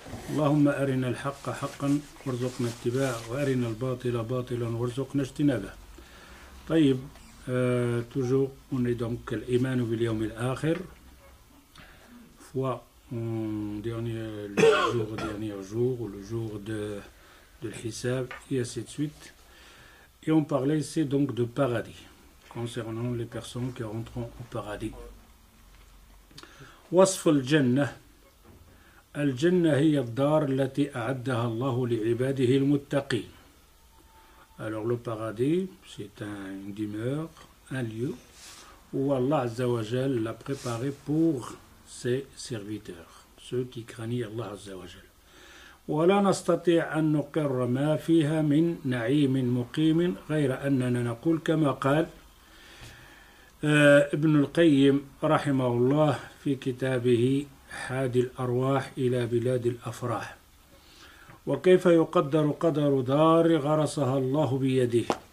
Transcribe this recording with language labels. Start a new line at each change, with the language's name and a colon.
Arabic: اللهم أرنا الحق حقا وارزقنا اتباعه وأرنا الباطل باطلا وارزقنا اجتنابه طيب
French: toujours, on est donc l'Iman ou l'Yom al-Akhir, foi en dernier, le jour, dernier jour, ou le jour de l'Hisab, et ainsi de suite. Et on parlait ici donc de paradis, concernant les personnes qui rentreront au paradis.
Arabic: وصف الجنة الجنة هي الدار التي أعدها الله لعباده المتقين.
French: Alors le paradis, c'est une demeure, un lieu où Allah Azza wa Jal l'a préparé pour ses serviteurs, ceux qui craignent Allah Azza wa Jal.
Arabic: ولا نستطيع أن نقر ما فيها من نعيم مقيم غير أننا نقول كما قال ابن القيم رحمه الله في كتابه حاد الأرواح إلى بلاد الأفراح وكيف يقدر قدر دار غرسها الله بيده.